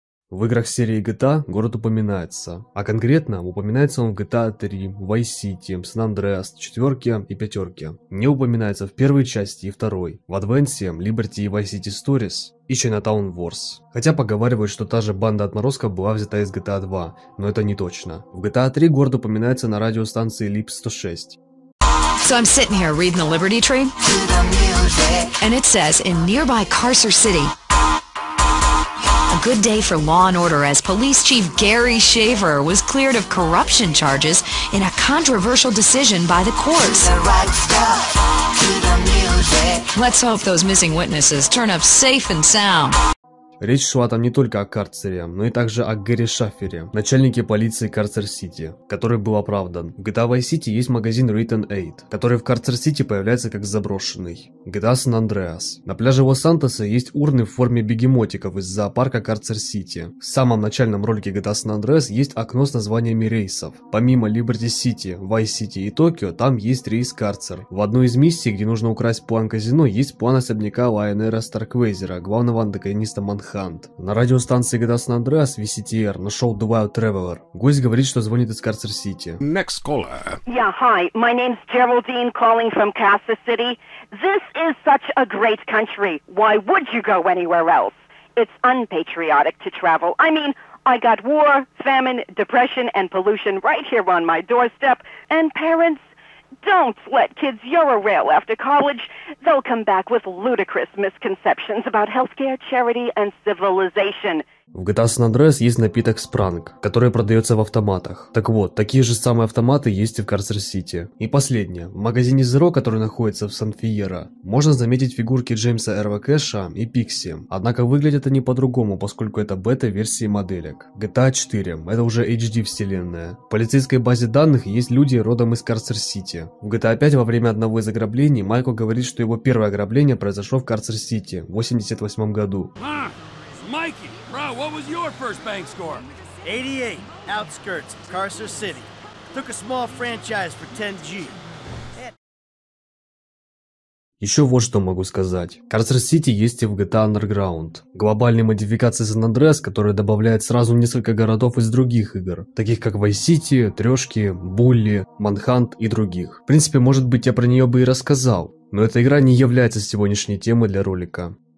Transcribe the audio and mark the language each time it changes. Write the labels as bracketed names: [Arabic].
[Russian] В играх серии GTA город упоминается. А конкретно упоминается он в GTA 3, Vice City, San Andreas, 4 и 5. Не упоминается в первой части и второй. В Advance, Liberty и Vice City Stories и Chinatown Wars. Хотя поговаривают, что та же банда отморозков была взята из GTA 2, но это не точно. В GTA 3 город упоминается на радиостанции Leap 106. [English] So I'm sitting here reading the Liberty Tree, and it says, in nearby Carcer City, a good day for law and order as police chief Gary Shaver was cleared of corruption charges in a controversial decision by the courts. Let's hope those missing witnesses turn up safe and sound. [Russian] Речь шла там не только о карцере, но и также о Гэри Шафере, начальнике полиции Карцер Сити, который был оправдан. В GTA Vice City есть магазин Written Aid, который в Карцер Сити появляется как заброшенный. GTA San Andreas. На пляже Лос-Сантоса есть урны в форме бегемотиков из зоопарка Карцер Сити. В самом начальном ролике GTA San Andreas есть окно с названиями рейсов. Помимо Liberty City, Vice City и Токио, там есть рейс Карцер. В одной из миссий, где нужно украсть план казино, есть план особняка Лайонера Старквейзера, главного антагониста Манхэттена. Хант. На радиостанции GTA San Andreas VCTR нашел The Wild Traveler. Гость говорит, что звонит из Карцер Сити. [English] Next caller. Yeah, hi. My name's Geraldine calling from Carcer City. This is such a great country. Why would you go anywhere else? It's unpatriotic to travel. I mean, I got war, famine, depression and pollution right here on my doorstep. And parents, don't let kids Eurorail after college. They'll come back with ludicrous misconceptions about healthcare, charity, and civilization. [Russian] В GTA San Andreas есть напиток Спранг, который продается в автоматах. Так вот, такие же самые автоматы есть и в Карцер Сити. И последнее. В магазине Zero, который находится в Сан-Фиера, можно заметить фигурки Джеймса Эрва Кэша и Пикси. Однако выглядят они по-другому, поскольку это бета-версии моделек. GTA 4. Это уже HD-вселенная. В полицейской базе данных есть люди родом из Карцер Сити. В GTA 5 во время одного из ограблений Майкл говорит, что его первое ограбление произошло в Карцер Сити в 88 году. [English] Майки! Bro, what was your first bank score? 88, outskirts, Carcer City. Took a small franchise for 10G. [Russian] Еще вот что могу сказать. Карцер Сити есть и в GTA Underground. Глобальные модификации San Andreas, которые добавляют сразу несколько городов из других игр. Таких как Vice City, Трешки, Булли, Манхант и других. В принципе, может быть, я про нее бы и рассказал. Но эта игра не является сегодняшней темой для ролика.